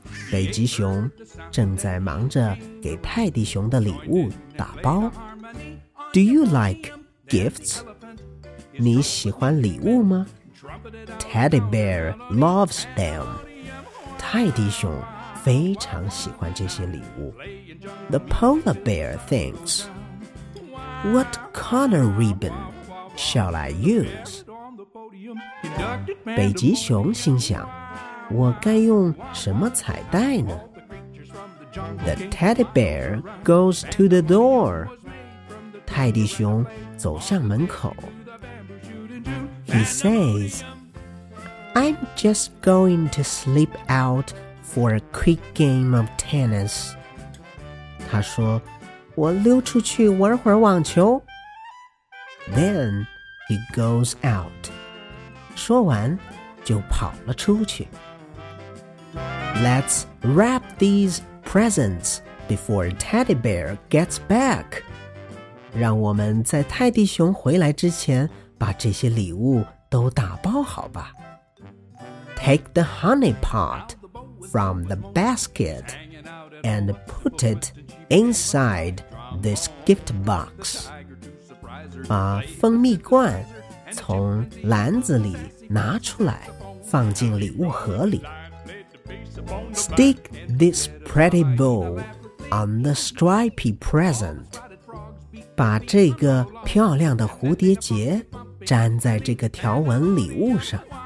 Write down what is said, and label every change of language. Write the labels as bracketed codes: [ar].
[zh] 北极熊正在忙着给泰迪熊的礼物打包。 [en] Do you like gifts? [zh] 你喜欢礼物吗? [en] Teddy bear loves them. [zh] 泰迪熊非常喜欢这些礼物。 [en] The polar bear thinks, What color ribbon shall I use? [zh] 北极熊心想，我该用什么彩带呢？ [en] The teddy bear goes to the door. [zh] 泰迪熊走向门口。 [en] He says, I'm just going to sleep out. For a quick game of tennis. [zh] 他说，我溜出去玩会儿网球。 [en] Then he goes out. [zh] 说完就跑了出去。 [en] Let's wrap these presents before Teddy Bear gets back. [zh] 让我们在泰迪熊回来之前把这些礼物都打包好吧。 [en] Take the honey pot. From the basket and put it inside this gift box. [zh] 把蜂蜜罐从篮子里拿出来，放进礼物盒里。 [en] Stick this pretty bow on the stripy present. [zh] 把这个漂亮的蝴蝶结粘在这个条纹礼物上。